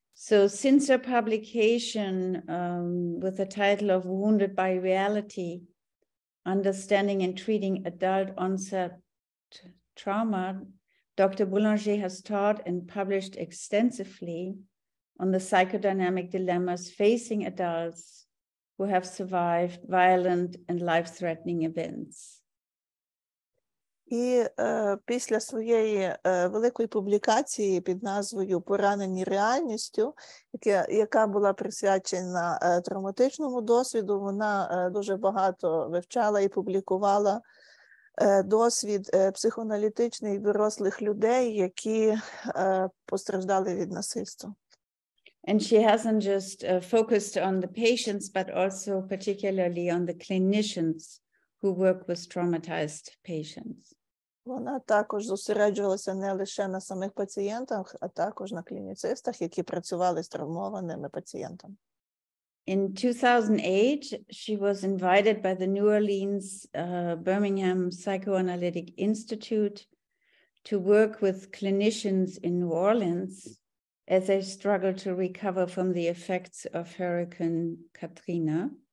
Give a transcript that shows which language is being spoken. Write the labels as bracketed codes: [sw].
[en] So since her publication with the title of Wounded by Reality, Understanding and Treating Adult Onset Trauma, Dr. Boulanger has taught and published extensively on the psychodynamic dilemmas facing adults who have survived violent and life-threatening events. [uk] І після своєї великої публікації під назвою «Поранені реальністю», яка була присвячена травматичному досвіду, вона дуже багато вивчала і публікувала досвід психоаналітичних дорослих людей, які постраждали від насильства. [en] And she hasn't just focused on the patients, but also particularly on the clinicians who work with traumatized patients. [uk] Вона також зосереджувалася не лише на самих пацієнтах, а також на клініцистах, які працювали з травмованими пацієнтами. [en] In 2008, she was invited by the New Orleans Birmingham Psychoanalytic Institute to work with clinicians in New Orleans as they struggled to recover from the effects of Hurricane Katrina.